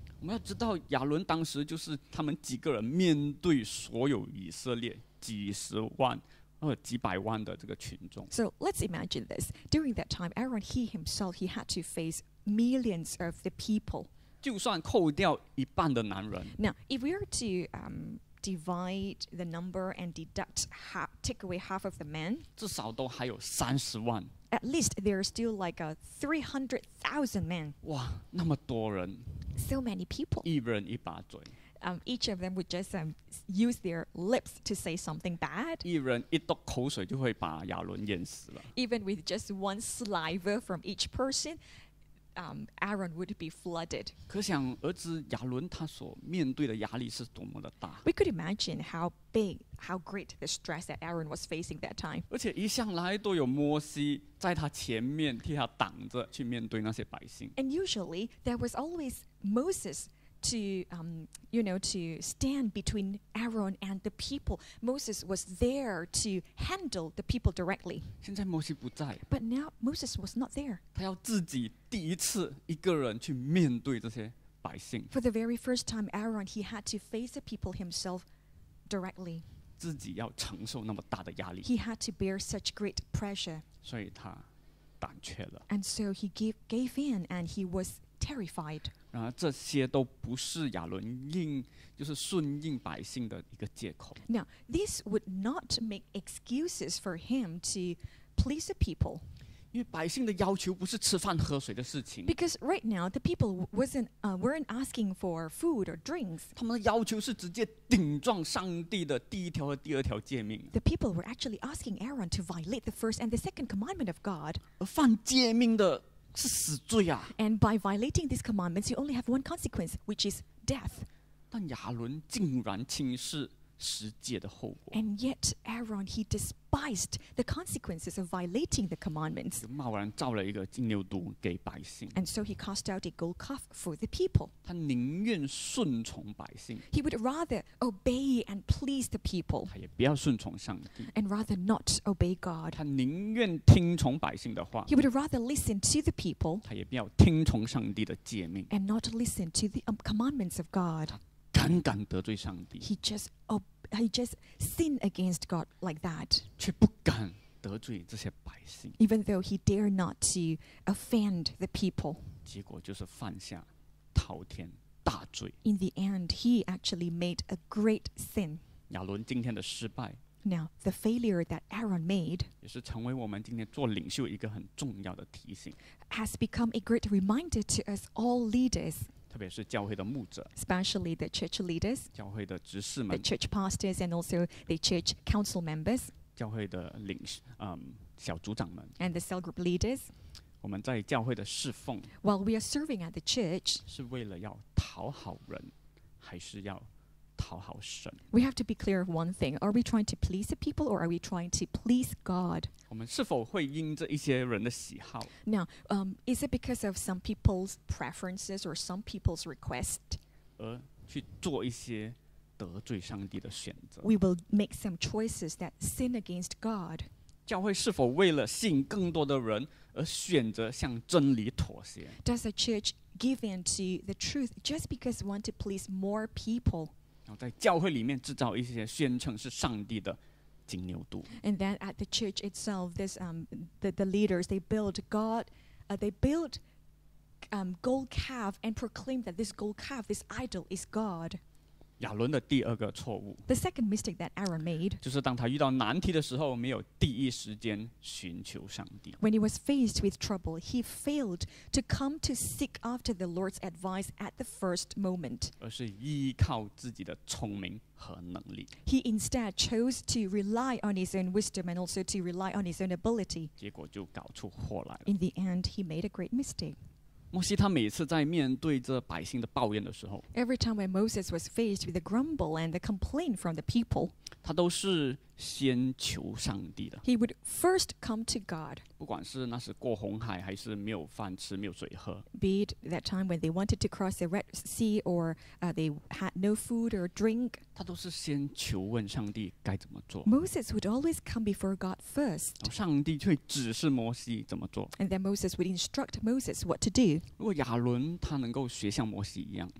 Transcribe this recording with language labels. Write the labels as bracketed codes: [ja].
[zh] 我们要知道，亚伦当时就是他们几个人面对所有以色列几十万或几百万的这个群众。 [en] So let's imagine this. During that time, Aaron he himself he had to face millions of the people. [zh] 就算扣掉一半的男人。 [en] Now, if we are to divide the number and deduct half, take away half of the men, [zh] 至少都还有三十万。 [en] At least there are still like a 300,000 men. [zh] 哇，那么多人。 [en] So many people. [zh] 一人一把嘴。 [en] Each of them would just use their lips to say something bad. [zh] 一人一滴口水就会把亚伦淹死了。 [en] Even with just one saliva from each person, Aaron would be flooded. [zh] 可想而知，亚伦他所面对的压力是多么的大。 [en] We could imagine how big, how great the stress that Aaron was facing that time. [zh] 而且一向来都有摩西在他前面替他挡着去面对那些百姓。 [en] And usually there was always Moses to, you know, to stand between Aaron and the people. Moses was there to handle the people directly. [zh] 现在摩西不在。 [en] But now Moses was not there. [zh] 他要自己第一次一个人去面对这些百姓。 [en] For the very first time, Aaron he had to face the people himself directly. [zh] 自己要承受那么大的压力。 [en] He had to bear such great pressure. [zh] 所以他胆怯了。 [en] And so he gave in, and he was terrified. [zh] 然而这些都不是亚伦应就是顺应百姓的一个借口。 [en] Now, this would not make excuses for him to please the people. [zh] 因为百姓的要求不是吃饭喝水的事情。 [en] Because right now the people weren't asking for food or drinks. [zh] 他们的要求是直接顶撞上帝的第一条和第二条诫命。 [en] The people were actually asking Aaron to violate the first and the second commandment of God. [zh] 而犯诫命的是死罪啊。 [en] And by violating these commandments, you only have one consequence, which is death. [zh] 但亚伦竟然轻视十诫的后果。 [en] And yet Aaron, he despised the consequences of violating the commandments. [zh] 就贸然造了一个金牛犊给百姓。 [en] And so he cast out a gold calf for the people. [zh] 他宁愿顺从百姓。 [en] He would rather obey and please the people. [zh] 他也不要顺从上帝。 [en] And rather not obey God. [zh] 他宁愿听从百姓的话。 [en] He would rather listen to the people. [zh] 他也不要听从上帝的诫命。 [en] And not listen to the commandments of God. [zh] 胆敢得罪上帝 [en] he just sinned against God like that [zh] 却不敢得罪这些百姓 [en] even though he dared not to offend the people [zh] 结果就是犯下滔天大罪 [en] in the end he actually made a great sin [zh] 亚伦今天的失败 [en] now the failure that Aaron made [zh] 也是成为我们今天做领袖一个很重要的提醒 [en] has become a great reminder to us all leaders [zh] 特别是教会的牧者 [en] especially the church leaders [zh] 教会的执事们 [en] the church pastors and also the church council members [zh] 教会的领小组长们 [en] and the cell group leaders [zh] 我们在教会的侍奉 [en] while we are serving at the church [zh] 是为了要讨好人还是要讨好神 [en] we have to be clear of one thing are we trying to please the people or are we trying to please God [zh] 我们是否会因这一些人的喜好 [en] now is it because of some people's preferences or some people's request [zh] 而去做一些得罪上帝的选择 [en] we will make some choices that sin against God [zh] 教会是否为了吸引更多的人而选择向真理妥协 [en] does the church give in to the truth just because we want to please more people [zh] 在教会里面制造一些宣称是上帝的金牛犊。 [en] And then at the church itself, this the leaders they build God, they build gold calf and proclaim that this gold calf, this idol is God. [zh] 亚伦的第二个错误。 [en] The second mistake that Aaron made. [zh] 就是当他遇到难题的时候，没有第一时间寻求上帝。 [en] When he was faced with trouble, he failed to come to seek after the Lord's advice at the first moment. [zh] 而是依靠自己的聪明和能力。 [en] He instead chose to rely on his own wisdom and also to rely on his own ability. [zh] 结果就搞出祸来了。 [en] In the end, he made a great mistake. [zh] 摩西他每次在面对这百姓的抱怨的时候 [en] Every time when Moses was faced with the grumble and the complaint from the people [zh] 他都是先求上帝的 [en] He would first come to God [zh] 不管是那时过红海还是没有饭吃没有水喝 [en] Be it that time when they wanted to cross the Red Sea or they had no food or drink [zh] 他都是先求问上帝该怎么做 [en] Moses would always come before God first [zh] 上帝却指示摩西怎么做 [en] And then Moses would instruct Moses what to do [zh] 如果亚伦他能够学像摩西一样